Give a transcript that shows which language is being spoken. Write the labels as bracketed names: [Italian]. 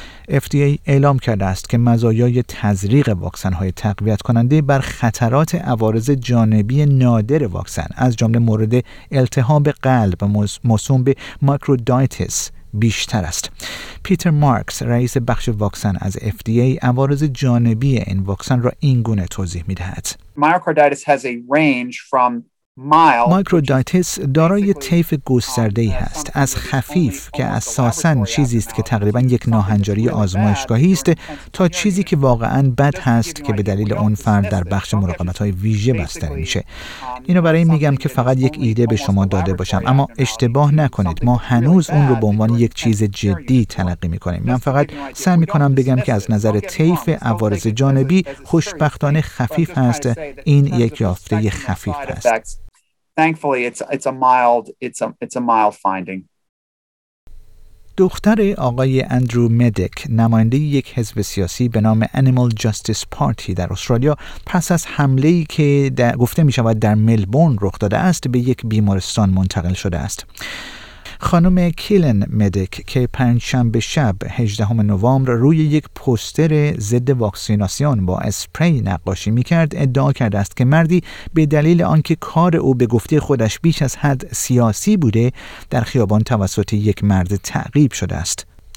[Persian] FDA اعلام کرده است که مزایای تزریق واکسن‌های تقویت کننده بر خطرات عوارض جانبی نادر واکسن از جمله مورد التهاب قلب موسوم به میکرودایتیس بیشتر است. پیتر مارکس، رئیس بخش واکسن از FDA، عوارض جانبی این واکسن را اینگونه توضیح می‌دهد. [English] میکرودایتیس has a range from [Persian] میکرودایتیس دارای طیف گسترده‌ای است، از خفیف که اساساً چیزی است که تقریبا یک ناهنجاری آزمایشگاهی است تا چیزی که واقعاً بد هست که به دلیل اون فرد در بخش مراقبت‌های ویژه بستری میشه. اینو برای میگم که فقط یک ایده به شما داده باشم، اما اشتباه نکنید، ما هنوز اون رو به عنوان یک چیز جدی تلقی می‌کنیم. من فقط سعی می‌کنم بگم که از نظر طیف عوارض جانبی خوشبختانه خفیف است. این یک یافته خفیف است. [English] Thankfully it's a mild finding. [Persian] دختر آقای اندرو مدک، نماینده یک حزب سیاسی به نام Animal Justice Party در استرالیا، پس از حمله‌ای که گفته می‌شود در ملبورن رخ داده است، به یک بیمارستان منتقل شده است. خانم کیلن مدک که پنجشنبه شب 18 نوامبر روی یک پوستر ضد واکسیناسیون با اسپری نقاشی می‌کرد، ادعا کرده است که مردی به دلیل آنکه کار او به گفته خودش بیش از حد سیاسی بوده، در خیابان توسط یک مرد تعقیب شده است.